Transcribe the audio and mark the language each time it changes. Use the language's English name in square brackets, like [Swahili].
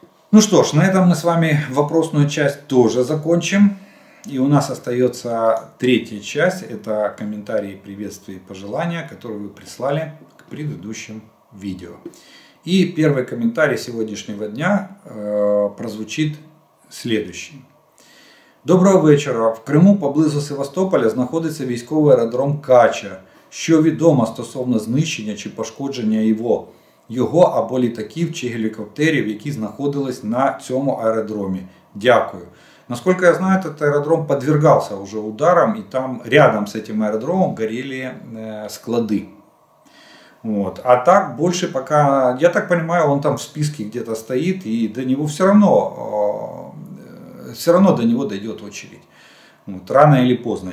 [Russian] Ну что ж, на этом мы с вами вопросную часть тоже закончим. И у нас остается третья часть, это комментарии, приветствия и пожелания, которые вы прислали к предыдущим видео. И первый комментарий сегодняшнего дня прозвучит следующий. [Ukrainian] Доброго вечора. В Криму поблизу Севастополя знаходиться військовий аеродром Кача. Що відомо стосовно знищення чи пошкодження його або літаків чи гелікоптерів, які знаходились на цьому аеродромі? Дякую. [Russian] Насколько я знаю, этот аэродром подвергался уже ударам, и там рядом с этим аэродромом горели склады. Вот. А так больше пока, я так понимаю, он там в списке где-то стоит, и до него все равно до него дойдет очередь. Вот. Рано или поздно.